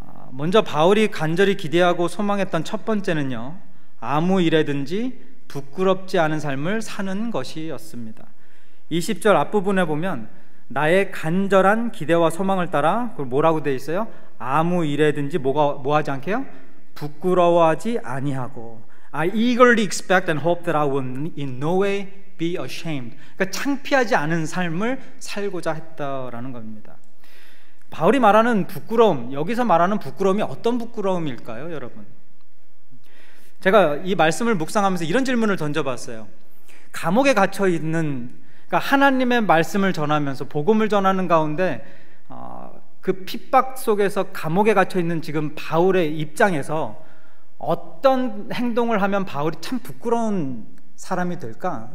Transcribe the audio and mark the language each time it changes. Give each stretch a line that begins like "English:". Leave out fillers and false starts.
Korean: 먼저 바울이 간절히 기대하고 소망했던 첫 번째는요, 아무 일에든지 부끄럽지 않은 삶을 사는 것이었습니다. 20절 앞부분에 보면 나의 간절한 기대와 소망을 따라 뭐라고 되어 있어요? 아무 일에든지 뭐 하지 않게요? 부끄러워하지 아니하고.
English: I eagerly expect and hope that I will in no way be ashamed.
Korean: 그러니까 창피하지 않은 삶을 살고자 했다라는 겁니다. 바울이 말하는 부끄러움, 여기서 말하는 부끄러움이 어떤 부끄러움일까요, 여러분? 제가 이 말씀을 묵상하면서 이런 질문을 던져봤어요. 감옥에 갇혀 있는, 그러니까 하나님의 말씀을 전하면서 복음을 전하는 가운데 그 핍박 속에서 감옥에 갇혀 있는 지금 바울의 입장에서 어떤 행동을 하면 바울이 참 부끄러운 사람이 될까?